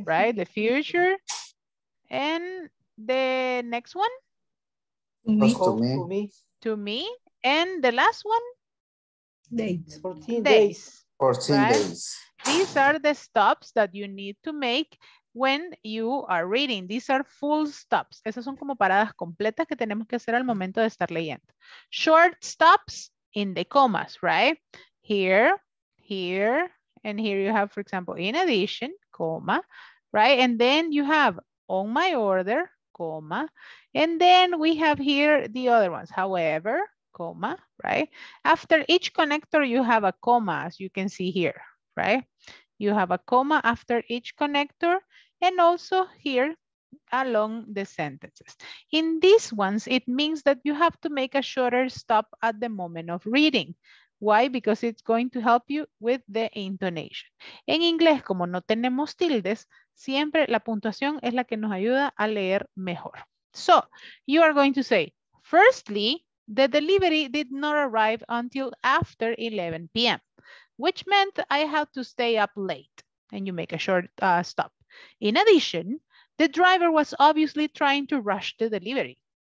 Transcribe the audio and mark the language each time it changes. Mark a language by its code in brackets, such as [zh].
[en] right? The future. And the next one? To me. And the last one? Days. 14 days. These are the stops that you need to make when you are reading. These are full stops. [es] Esas son como paradas completas que tenemos que hacer al momento de estar leyendo. [en] Short stops in the commas, right? Here. And here you have, for example, in addition, comma, right? And then you have on my order, comma. And then we have here the other ones, however, comma, right? After each connector, you have a comma, as you can see here, right? You have a comma after each connector, and also here along the sentences. In these ones, it means that you have to make a shorter stop at the moment of reading. Why? Because it's going to help you with the intonation. [es] En inglés, como no tenemos tildes, siempre la puntuación es la que nos ayuda a leer mejor. [en] So, you are going to say, firstly, the delivery did not arrive until after 11 p.m., which meant I had to stay up late, and you make a short stop. In addition, the driver was obviously trying to rush the delivery.